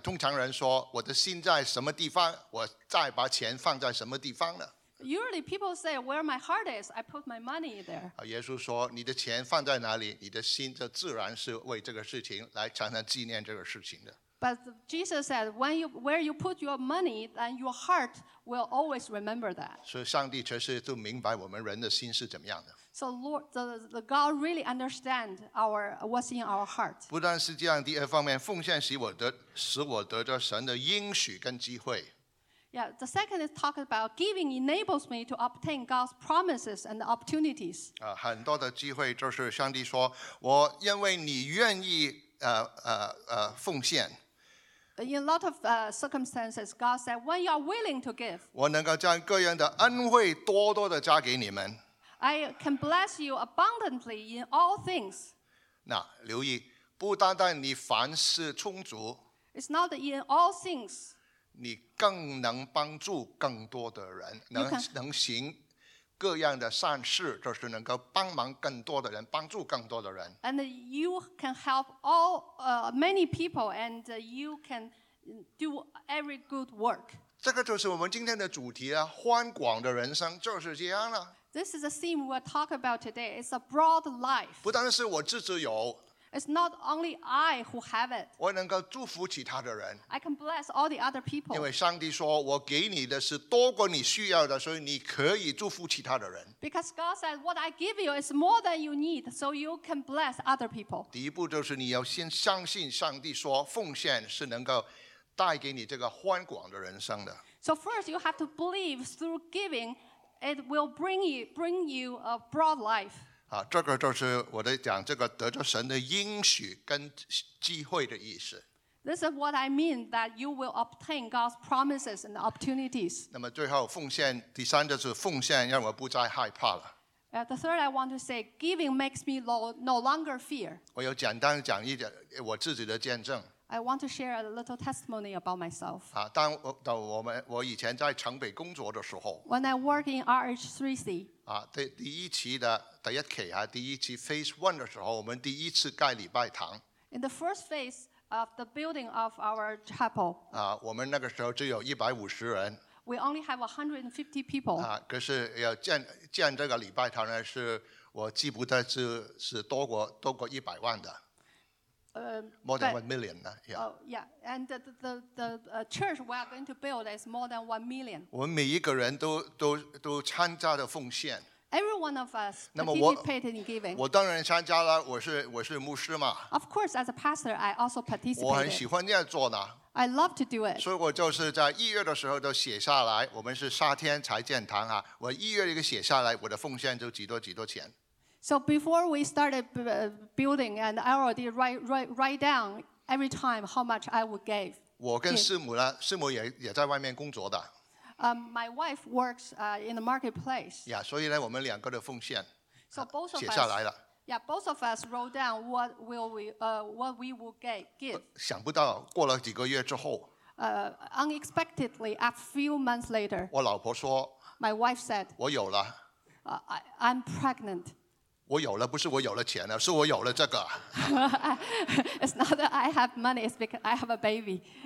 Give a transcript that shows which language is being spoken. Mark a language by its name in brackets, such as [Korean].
[Chinese] 通常人说，我的心在什么地方，我再把钱放在什么地方呢？ [English] Usually people say, where my heart is, I put my money there. [Chinese] 耶稣说，你的钱放在哪里，你的心就自然是为这个事情来常常纪念这个事情的。 [English] But Jesus said, where you put your money, then your heart will always remember that. [Chinese] 所以上帝确实都明白我们人的心是怎么样的。 [English] So Lord, the God really understands what's in our heart. [Chinese] 不但是这样，第二方面，奉献使我得到神的应许跟机会。 [English] Yeah, the second is talk about giving enables me to obtain God's promises and opportunities. [Chinese] 很多的机会就是上帝说，我因为你愿意。奉献， [English] In a lot of circumstances, God said, when you are willing to give, [Chinese] 我能够将各样的恩惠多多的加给你们。 [English] I can bless you abundantly in all things. [Chinese] 那留意，不单单你凡事充足， [English] It's not in all things. [Chinese] 你更能帮助更多的人，能行各样的善事，就是能够帮忙更多的人，帮助更多的人。 [English] And you can help all many people, and you can do every good work. [Chinese] 这个就是我们今天的主题啊，宽广的人生就是这样了。 [English] This is a theme we'll talk about today. It's a broad life. [Chinese] 不单是我自己有。 [English] It's not only I who have it. [Chinese] 我能够祝福其他的人。 [English] I can bless all the other people. [Chinese] 因为上帝说，我给你的是多过你需要的，所以你可以祝福其他的人。 [English] Because God said, what I give you is more than you need, so you can bless other people. [Chinese] 第一步就是你要先相信上帝说，奉献是能够带给你这个宽广的人生的。 [English] So first, you have to believe through giving, it will bring you a broad life. [Chinese] 啊，这个就是我在讲这个得着神的应许跟机会的意思。 [English] This is what I mean that you will obtain God's promises and opportunities. [Chinese] 那么最后奉献，第三就是奉献让我不再害怕了。 [English] The third I want to say, giving makes me no longer fear. [Chinese] 我要简单讲一点我自己的见证。 [English] I want to share a little testimony about myself. [Chinese] 啊，当我以前在城北工作的时候。 [English] When I work in RH3C. [Chinese] 啊、第一期的第一期、啊、第一期 phase one 的时候，我们第一次盖礼拜堂。 [English] In the first phase of the building of our chapel,、 [Chinese] 啊、我们那个时候只有150人。 [English] We only have 150 people.、 [Chinese] 啊、可是要 建这个礼拜堂呢，是我记不得 是多过100万的。 [English] More than 1 million. Yeah. And the church we are going to build is more than 1 million. [Chinese] 我们每一个人都参加了奉献。 [English] Every one of us participated in giving. [Chinese] 我当然参加了，我是牧师嘛。 [English] Of course, as a pastor, I also participated. [Chinese] 我很喜欢这样做呢。 [English] I love to do it. [Chinese] 所以我就是在一月的时候都写下来，我们是夏天才建堂啊。我一月一个写下来，我的奉献就几多几多钱。 [English] So before we started building, and I already write down every time how much I would give. [Chinese] 我跟师母呢，师母也在外面工作的。 [English] My wife works in the marketplace. [Chinese] Yeah, 所以呢，我们两个的奉献。 [English] So both of us [Chinese] 写下来了。 [English] Yeah, both of us wrote down what we would give. [Chinese] 想不到过了几个月之后。 [English] Unexpectedly, a few months later. [Chinese] 我老婆说。 [English] My wife said. [Chinese] 我有了。 [English] I'm pregnant. [Chinese] 我有了，不是我有了钱了，是我有了这个。 [English] It's not that I have money, it's because I have a baby.